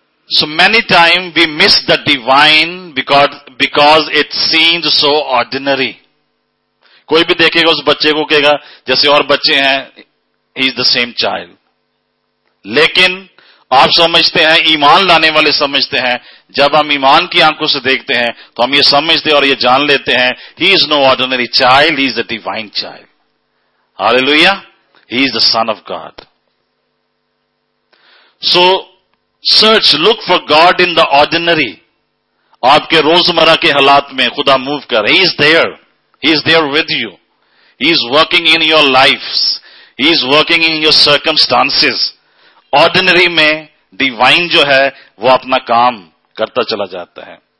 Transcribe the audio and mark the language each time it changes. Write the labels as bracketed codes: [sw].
[en] So many time we miss the divine because it seems so ordinary. [ur] کوئی بھی دیکھے گا اس بچے کو کہے گا جیسے اور بچے ہیں، [en] He is the same child. [ur] لیکن آپ سمجھتے ہیں، ایمان لانے والے سمجھتے ہیں، جب ہم ایمان کی آنکھوں سے دیکھتے ہیں تو ہم یہ سمجھتے اور یہ جان لیتے ہیں، [en] He is no ordinary child, he is a divine child. Hallelujah. He is the son of God. So search, look for God in the ordinary. [ur] آپ کے روزمرہ کے حالات میں خدا موو کر، [en] He is there, he is there with you, he is working in your life, he is working in your circumstances. [ur] Ordinary میں divine جو ہے وہ اپنا کام کرتا چلا جاتا ہے.